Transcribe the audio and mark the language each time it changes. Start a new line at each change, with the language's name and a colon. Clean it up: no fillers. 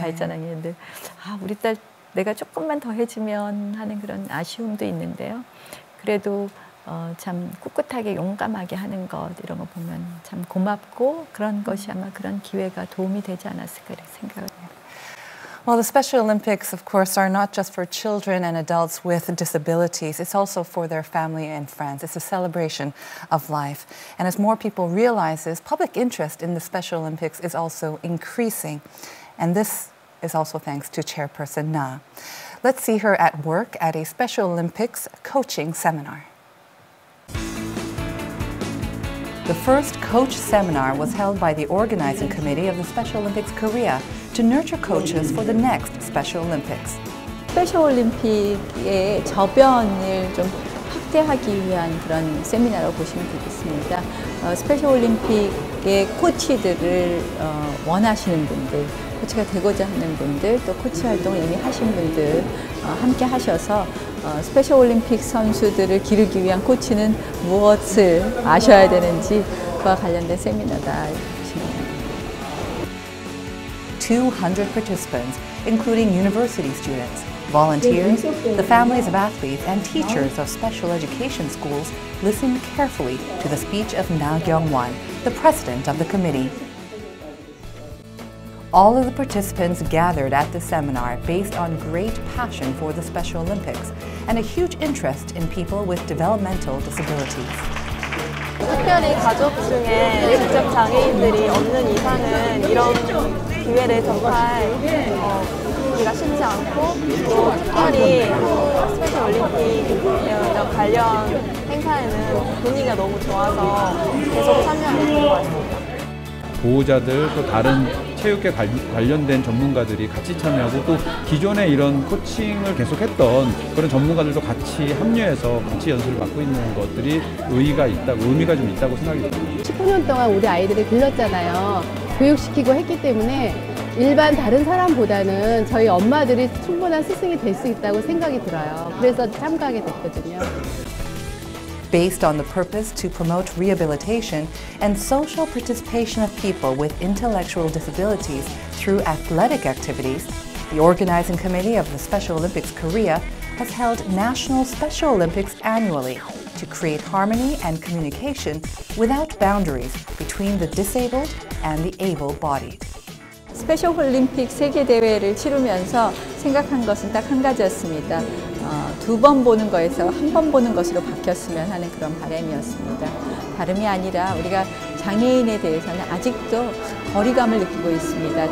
Korean: 발전한 게 있는데 우리 딸 내가 조금만 더 해주면 하는 그런 아쉬움도 있는데요. 그래도 참 꿋꿋하게 용감하게 하는 것 이런 거 보면 참 고맙고 그런 것이 아마 그런 기회가 도움이 되지 않았을까 생각합니다.
English: Well, the Special Olympics, of course, are not just for children and adults with disabilities. It's also for their family and friends. It's a celebration of life. And as more people realize this, public interest in the Special Olympics is also increasing. And this is also thanks to Chairperson Na. Let's see her at work at a Special Olympics coaching seminar. The first coach seminar was held by the organizing committee of the Special Olympics Korea to nurture coaches for the next Special Olympics.
Korean: Special Olympics의 저변을 좀 확대하기 위한 그런 세미나로 보시면 되겠습니다. Special Olympics의 코치들을 원하시는 분들, 코치가 되고자 하는 분들, 또 코치 활동을 이미 하신 분들 함께 하셔서 스페셜 올림픽 선수들을 기르기 위한 코치는 무엇을 아셔야 되는지 그와 관련된 세미나다.
English: 200 participants, including university students, volunteers, the families of athletes, and teachers of special education schools listened carefully to the speech of Na Kyung-won, the president of the committee. All of the participants gathered at the seminar based on great passion for the Special Olympics and a huge interest in people with developmental disabilities.
Korean: 특별히 가족 중에 직접 장애인들이 없는 이상은 이런 기회를 정말 우리가 쉽지 않고 또 특별히 스페셜 올림픽 관련 행사에는 분위기가 너무 좋아서 계속 참여하는 것 같습니다. 보호자들 또 다른 체육계 관련된 전문가들이 같이 참여하고 또 기존에 이런 코칭을 계속했던 그런 전문가들도 같이 합류해서 같이 연습을 받고 있는 것들이 의의가 있다고, 의미가 좀 있다고 생각이 듭니다. 15년 동안 우리 아이들을 길렀잖아요. 교육시키고 했기 때문에 일반 다른 사람보다는 저희 엄마들이 충분한 스승이 될 수 있다고 생각이 들어요. 그래서 참가하게 됐거든요.
English: Based on the purpose to promote rehabilitation and social participation of people with intellectual disabilities through athletic activities, the organizing committee of the Special Olympics Korea has held national Special Olympics annually to create harmony and communication without boundaries between the disabled and the able-bodied.
Korean: 스페셜 올림픽 세계 대회를 치르면서 생각한 것은 딱 한 가지였습니다. 두 번 보는 거에서 한 번 보는 것으로 바뀌었으면 하는 그런 바람이었습니다. 다름이 아니라 우리가 장애인에 대해서는 아직도 거리감을 느끼고 있습니다.